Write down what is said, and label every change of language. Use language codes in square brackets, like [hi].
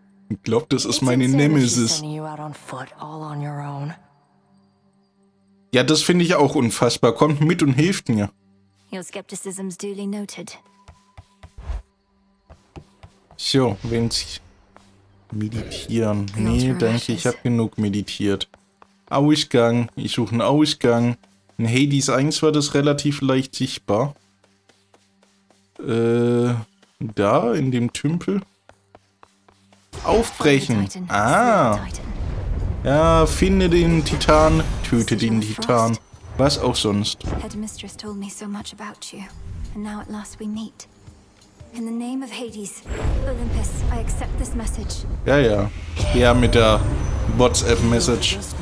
[de] Ich glaube, das ist meine Nemesis. Ja, das finde ich auch unfassbar. Kommt mit und hilft mir. [en] Your skepticism's duly noted. [de] So, wenn sie meditieren. Nee, danke, ich habe genug meditiert. Ausgang, ich suche einen Ausgang. In Hades 1 war das relativ leicht sichtbar. Da, in dem Tümpel. Aufbrechen! Ah! Ja, finde den Titan, töte den Titan. Was auch sonst. [en] Headmistress told me so much about you, and now at last we meet. In the name of Hades, Olympus, I accept this message. [de] Ja, ja. Ja, mit der WhatsApp-Message.